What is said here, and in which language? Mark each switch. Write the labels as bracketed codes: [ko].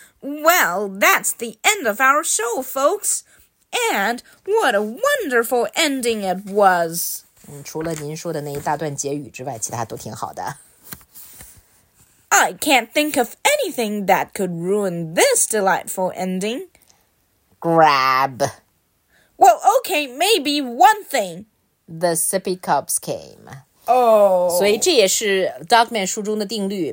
[en] Well, that's the end of our show, folks. And what a wonderful ending it was. [zh] 除了您说的那一大段结语之外，其他都挺好的。 [en] I can't think of anything that could ruin this delightful ending. Grab. Well, okay, maybe one thing. The sippy cups came. Oh. [zh] 所以这也是 Dogman 书中的定律。